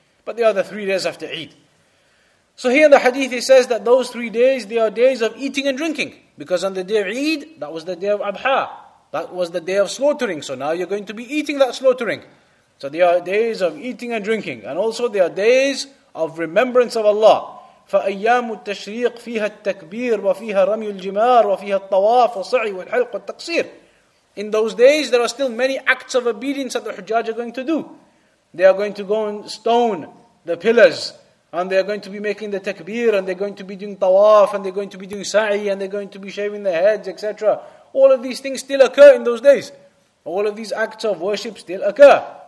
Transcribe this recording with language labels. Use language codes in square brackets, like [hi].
[en] But they are the 3 days after Eid. So here in the hadith, it says that those 3 days, they are days of eating and drinking. Because on the day of Eid, that was the day of Adha. That was the day of slaughtering. So now you're going to be eating that slaughtering. So they are days of eating and drinking. And also they are days of remembrance of Allah. [ar] فأيام التشريق فيها التكبير وفيها رمي الجمار وفيها الطواف والسعي والحلق والتقصير. [en] In those days, there are still many acts of obedience that the Hujjaj are going to do. They are going to go and stone the pillars, and they are going to be making the takbir, and they're going to be doing tawaf, and they're going to be doing sa'i, and they're going to be shaving their heads, etc. All of these things still occur in those days. All of these acts of worship still occur.